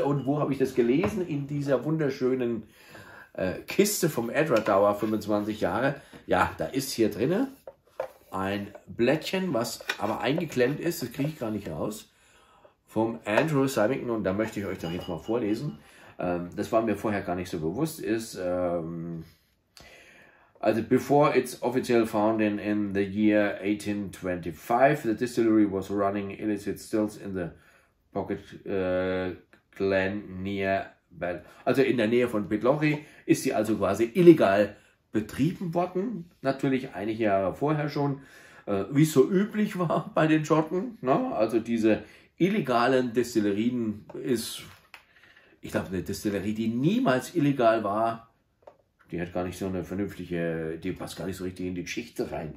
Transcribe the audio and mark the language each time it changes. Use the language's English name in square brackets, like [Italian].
[German] Und wo habe ich das gelesen? In dieser wunderschönen Kiste vom Edward Dower, 25 Jahre. Ja, da ist hier drinne ein Blättchen, was aber eingeklemmt ist. Das kriege ich gar nicht raus. Vom Andrew Symington, und da möchte ich euch dann jetzt mal vorlesen. Das war mir vorher gar nicht so bewusst. Ist also, [English] before its official founding in the year 1825, the distillery was running illicit stills in the Pocket Glen near Bell. [German] Also in der Nähe von Pitlochry ist sie also quasi illegal betrieben worden. Natürlich einige Jahre vorher schon, wie es so üblich war bei den Schotten. Ne? Also diese illegalen Destillerien ist, ich glaube, eine Destillerie, die niemals illegal war, die hat gar nicht so eine vernünftige, die passt gar nicht so richtig in die Geschichte rein.